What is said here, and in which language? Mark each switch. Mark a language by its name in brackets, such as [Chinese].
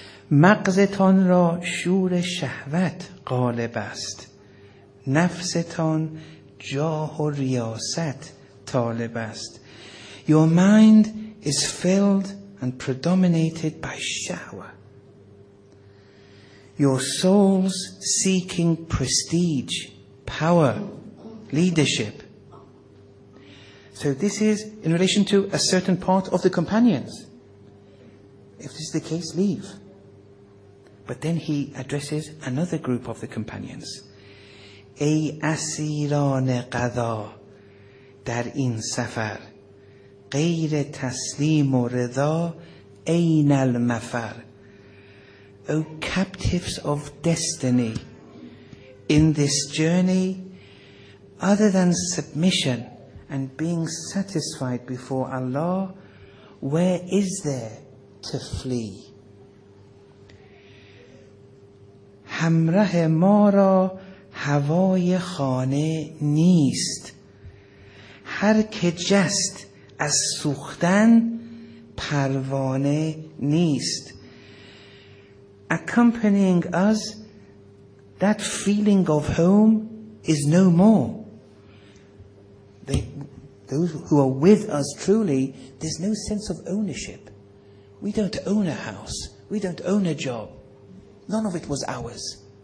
[Persian] مغزتان را شور شهوت غالب است، نفستان جاه و ریاست طالب است. [English] Your mind is filled and predominated by shahwa. Your souls seeking prestige, power, leadership. So this is in relation to a certain part of the companions. If this is the case, leave. But then he addresses another group of the companions. [Persian] ای اسیران قضا در این سفر، غیر تسلیم و رضا عین المفر. [English] O captives of destiny, in this journey, other than submission and being satisfied before Allah, where is there to flee? [Persian] همراه ما را هوای خانه نیست، هر که جست از سوختن پروانه نیست. [English] Accompanying us, that feeling of home is no more. Those who are with us truly, there's no sense of ownership. We don't own a house, we don't own a job. None of it was ours.